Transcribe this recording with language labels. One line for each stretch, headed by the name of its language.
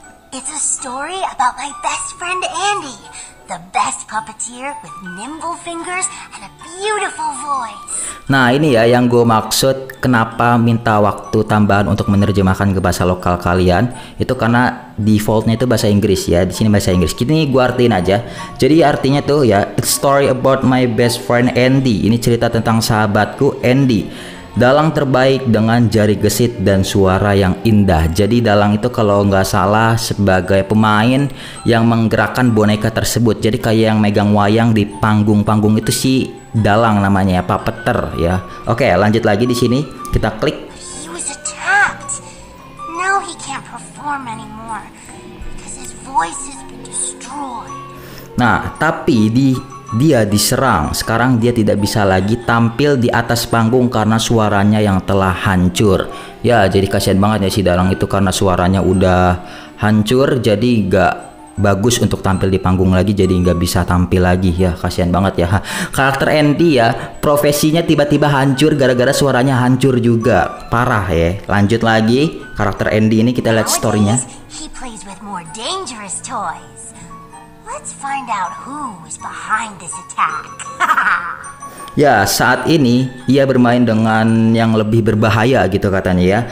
English: It's a story about my best friend Andy, the best puppeteer with nimble fingers and a beautiful voice.
Indonesian: Nah ini ya yang gue maksud kenapa minta waktu tambahan untuk menerjemahkan ke bahasa lokal kalian, itu karena defaultnya itu bahasa Inggris ya, di sini bahasa Inggris. Ini gue artiin aja, jadi artinya tuh ya
English: it's story about my best friend Andy,
Indonesian: ini cerita tentang sahabatku Andy, dalang terbaik dengan jari gesit dan suara yang indah. Jadi dalang itu kalau nggak salah sebagai pemain yang menggerakkan boneka tersebut, jadi kayak yang megang wayang di panggung-panggung itu si dalang namanya ya, puppeter ya. Oke, lanjut lagi di sini kita klik.
English: He was attacked. Now he can't perform anymore because his voice has been destroyed.
Indonesian: Nah tapi dia diserang, sekarang dia tidak bisa lagi tampil di atas panggung karena suaranya yang telah hancur ya. Jadi kasihan banget ya si dalang itu karena suaranya udah hancur, jadi nggak bagus untuk tampil di panggung lagi, jadi nggak bisa tampil lagi ya, kasihan banget ya. Karakter Andy ya, profesinya tiba-tiba hancur gara-gara suaranya hancur juga, parah ya. Lanjut lagi karakter Andy ini, kita lihat storynya.
English: He plays with more dangerous toys. Let's find out who is behind this attack.
Indonesian: Ya, saat ini ia bermain dengan yang lebih berbahaya gitu katanya ya.